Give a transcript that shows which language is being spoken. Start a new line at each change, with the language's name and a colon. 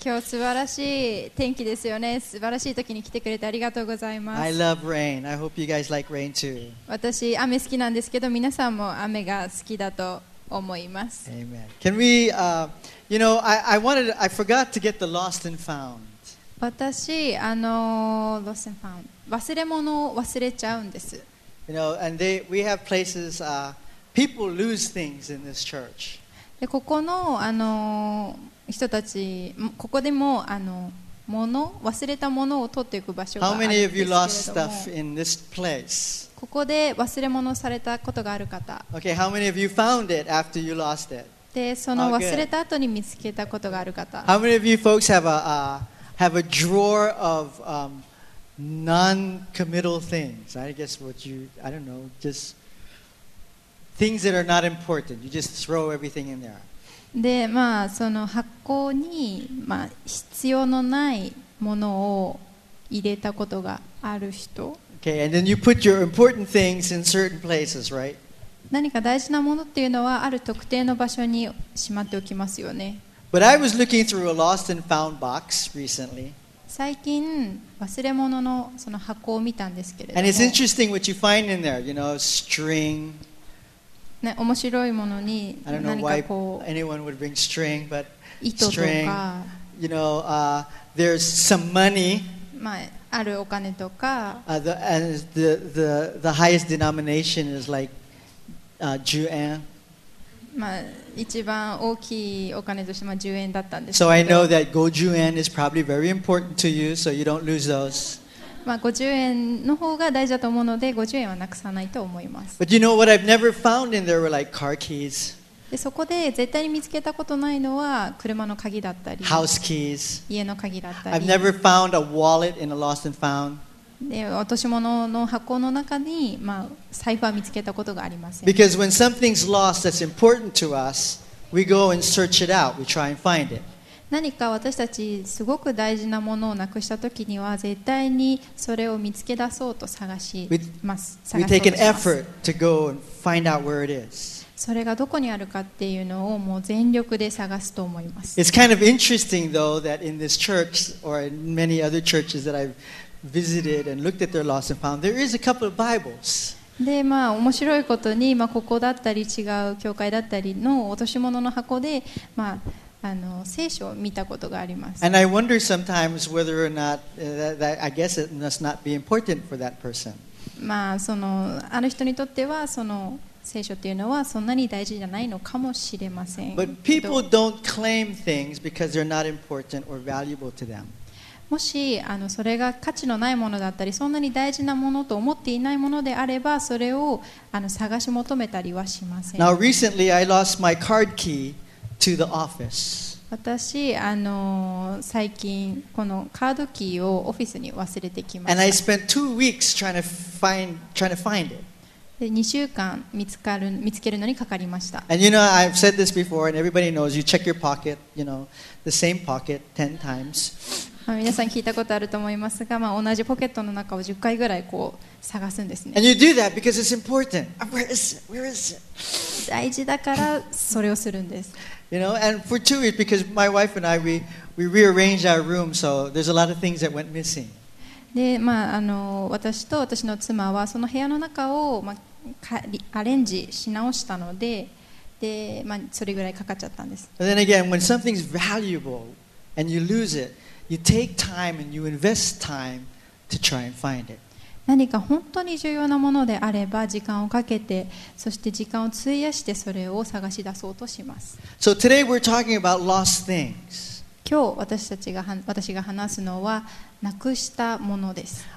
Japanese: 今日素晴らしい天気ですよね。素晴らしい時に来てくれてありがとうございます。
English: I love rain. I hope you guys like rain too.
Japanese: 私雨好きなんですけど、皆さんも雨が好きだと思います。
English: Amen. Can we, you know, I forgot to get the lost and found.
Japanese: 私
English: lost and found
Japanese: 忘れ物を忘れちゃうんです。
English: You know, and we have places. People lose things in this church.
Japanese: でここの人たち、ここでも物、忘れたものを取っていく場所があるんですけれども。
English: How many of you lost stuff in this place?
Japanese: ここで忘れ物をされたことがある方。
English: Okay, how many of you found it after you lost it?
Japanese: でその忘れた後に見つけたことがある方。
English: How many of you folks have a drawer of non-committal things? I guess what you, I don't know, just... Things that are not important, you just throw everything in there.
Japanese: で、まあその箱に、まあ、必要のないものを入れたことがある人。
English: Okay, and then you put your important things in certain places, right?
Japanese: 何か大事なものっていうのはある特定の場所にしまっておきますよね。
English: But I was looking through a lost and found box recently.
Japanese: 最近忘れ物のその箱を見たんですけれども。
English: And it's interesting what you find in there, you know, string.
Japanese: ね、面白いものに何かこう、
English: I don't know why anyone would bring string, but string, you know, there's some money.
Japanese: まあ、あるお金とか、
English: and the highest denomination is like 10円.
Japanese: まあ、一番大きいお金としては10円だったんですけど。
English: So I know that 50 yen is probably very important to you, so you don't lose those.
Japanese: まあ、50円の方が大事だと思うので50円はなくさないと思います。
English: But you know what I've never found in there were like car keys.
Japanese: でそこで絶対に見つけたことないのは車の鍵だったり
English: House keys.
Japanese: 家の鍵だったり
English: I've never found a wallet in a lost and found.
Japanese: で落とし物の箱の中に、まあ、財布は見つけたことがありません。
English: Because when something's lost that's important to us, we go and search it out, we try and find it.
Japanese: 何か私たちすごく大事なものをなくしたときには絶対にそれを見つけ出そうと探します。
English: We take an effort to go and find out where it is.
Japanese: それがどこにあるかっていうのをもう全力で探すと思います。
English: It's kind of interesting though that in this church or in many other churches that I've visited and looked at their lost and found, there is a couple of Bibles.
Japanese: でまあ、面白いことに、まあ、ここだったり違う教会だったりの落とし物の箱で、まあ聖書を見たことがあります。
English: And I wonder sometimes whether or not, I guess it must not be important for that person.
Japanese: まあ、その、ある人にとっては、その聖書っていうのはそんなに大事じゃないのかもしれません。
English: But people don't claim things because they're not important or valuable to them.
Japanese: もしそれが価値のないものだったりそんなに大事なものと思っていないものであればそれを探し求めたりはしません。
English: Now recently I lost my card key to the office.
Japanese: 私最近このカードキーをオフィスに忘れてきました。
English: And I spent 2 weeks trying to find it.
Japanese: で2週間見つけるのにかかりました。
English: And you know I've said this before and everybody knows you check your pocket, you know, the same pocket 10 times.
Japanese: 皆さん聞いたことあると思いますが、まあ、同じポケットの中を10回ぐらいこう探すんですね。
English: And you do that because it's important. Where is it? Where is it?
Japanese: 大事だからそれをするんです。
English: You know, and for 2 weeks, because my wife and I, we rearranged our room, so there's a lot of things that went missing.
Japanese: で、まあ、私と私の妻はその部屋の中を、まあ、アレンジし直したので、で、まあ、それぐらいかかっちゃったんです。
English: But then again, when something's valuable and you lose it,You take time and you invest time to try and find it.
Japanese: 何か本当に重要なものであれば時間をかけてそして時間を費やしてそれを探し出そうとします。
English: So today we're talking about lost things.
Japanese: 今日私が話すのはなくしたものです。